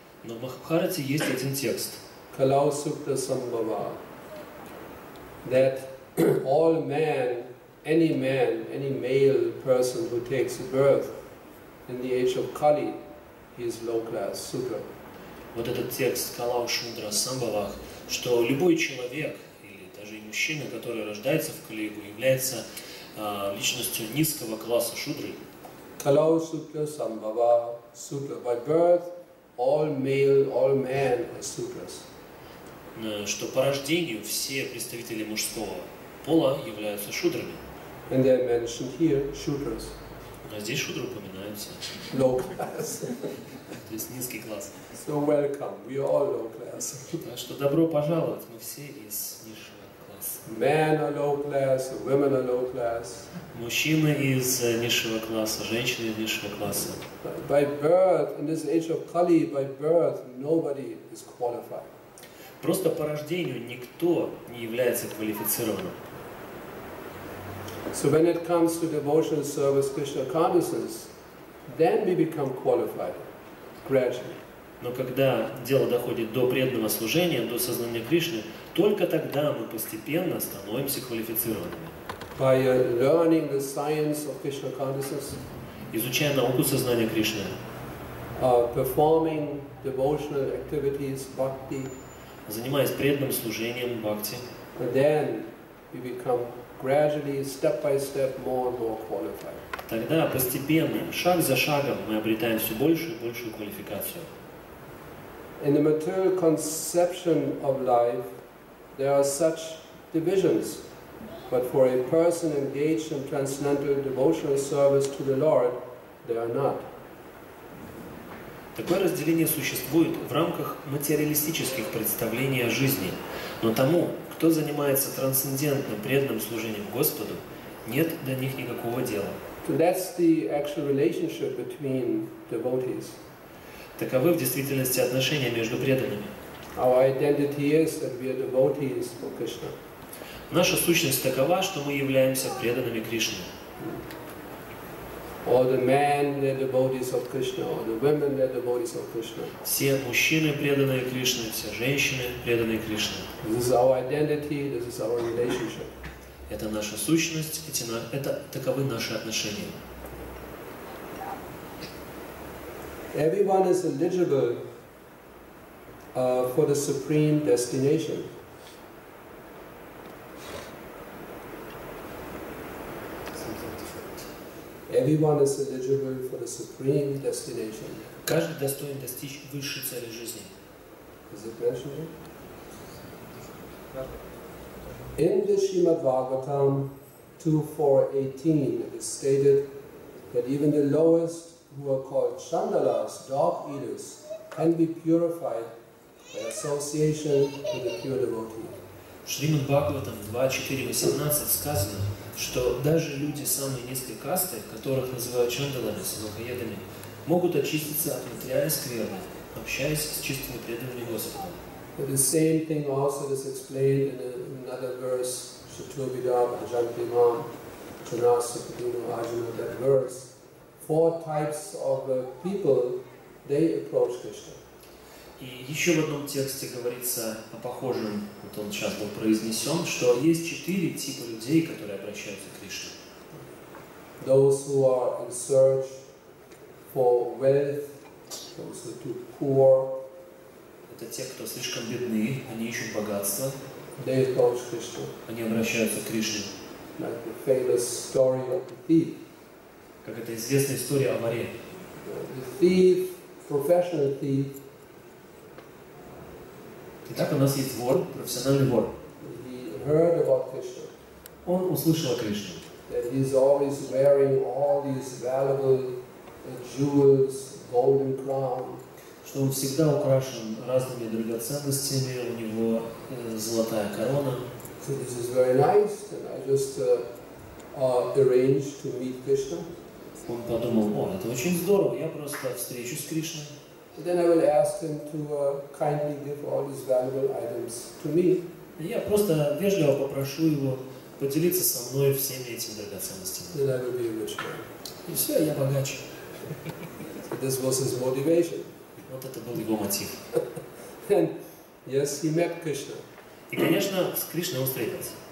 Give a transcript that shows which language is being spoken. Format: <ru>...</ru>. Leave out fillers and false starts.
<ru>Но в Махабхарате есть один текст.</ru> <sa>Kalau Sukta Sambhava.</sa> <en>That all man, any male person who takes birth in the age of Kali, he is low class, Sukta.</en> <ru>Вот этот текст</ru> <sa>Калау Шудра Самбавах,</sa> <ru>что любой человек, или даже и мужчина, который рождается в Кали-Югу, является личностью низкого класса шудры.</ru> <sa>Калау Сутра Самбава Сутра.</sa> <en>By birth, all male, all men are sutras.</en> <ru>Что по рождению все представители мужского пола являются шудрами.</ru> <en>And they are mentioned here, shudras.</en> <ru>А здесь шудры упоминаются.</ru> <en>Low class.</en> <ru>То есть низкий класс.</ru> <en>So welcome, we are all low class.</en> <ru>Так что добро пожаловать, мы все из низшего класса. класс.</ru> <en>Men are low class, women are low class.</en> <ru>Мужчины из низшего класса, женщины из низшего класса.</ru> <en>By birth, in this age of Kali, by birth, nobody is qualified.</en> <ru>Просто по рождению никто не является квалифицированным.</ru> <en>So when it comes to devotional service, Krishna consciousness, then we become qualified gradually.</en> <ru>Но когда дело доходит до преданного служения, до сознания Кришны, только тогда мы постепенно становимся квалифицированными.</ru> <en>By learning the science of Krishna consciousness,</en> <ru>изучая науку сознания Кришны,</ru> <en>performing devotional activities, bhakti,</en> <ru>занимаясь преданным служением, бхакти,</ru> <en>then we become gradually, step by step, more and more qualified.</en> <ru>Тогда постепенно, шаг за шагом, мы обретаем все большую и большую квалификацию.</ru> <en>In the material conception of life, there are such divisions. But for a person engaged in transcendental devotional service to the Lord, there are not.</en> <ru>Такое разделение существует в рамках материалистических представлений о жизни. Но тому, кто занимается трансцендентным преданным служением Господу, нет до них никакого дела.</ru> <en>So that's the actual relationship between devotees.</en> <ru>Таковы в действительности отношения между преданными.</ru> <en>Our identity is that we are devotees of Krishna.</en> <ru>Наша сущность такова, что мы являемся преданными Кришне.</ru> <en>All the men are devotees of Krishna, all the women are devotees of Krishna.</en> <ru>Все мужчины преданные Кришне, все женщины преданные Кришне.</ru> <en>This is our identity, this is our relationship.</en> <ru>Это наша сущность, это таковы наши отношения.</ru> <en>Everyone is eligible for the supreme destination. Everyone is eligible for the supreme destination.</en> <ru>Каждый достоин достичь высшей цели жизни.</ru> <en>Is it mentioned? In the Srimad Bhagavatam 2.4.18 it is stated that even the lowest who are called chandalas, dog eaters, can be purified by association with the pure devotee.</en> <ru>В Шримад Бхагаватам 2.4.18 сказано, что даже люди самой низкой касты, которых называют чандалами, сангхаедами, могут очиститься от материальной скверны, общаясь с чистыми преданными Господом.</ru> <en>But the same thing also is explained in another verse,</en> <sa>Shatrubhidab, Ajantimam, Chanasupadino, Ajana,</sa> <en>that verse. Four types of people, they approach Krishna.</en> <ru>И еще в одном тексте говорится о похожем, вот он сейчас был произнесен, что есть четыре типа людей, которые обращаются к Кришне.</ru> <en>Those who are in search for wealth, those who are too poor.</en> <ru>Это те, кто слишком бедны, они ищут богатство.</ru> <en>They approach Krishna.</en> <ru>Они обращаются к Кришне.</ru> <en>Like the famous story of the thief.</en> <ru>Как это известная история о воре.</ru> <en>The thief, professional thief.</en> <ru>Итак, у нас есть вор, профессиональный вор.</ru> <en>He heard about Krishna.</en> <ru>Он услышал о Кришне.</ru> <en>That he is always wearing all these valuable jewels, golden crown.</en> <ru>Что он всегда украшен разными драгоценностями, у него золотая корона.</ru> <en>So this is very nice, and I just arranged to meet Krishna.</en> <ru>Он подумал, о, это очень здорово, я просто встречусь с Кришной.</ru> <en>Then I will ask him to kindly give all these valuable items to me.</en> <ru>Я просто вежливо попрошу его поделиться со мной всеми этими драгоценностями.</ru> <en>Then I will be a rich man.</en> <ru>И все, я богач.</ru> <en>So this was his motivation.</en> <ru>Вот это был его мотив.</ru> <en>And yes, he met Krishna.</en> <ru>И, конечно, с Кришной он встретился.</ru>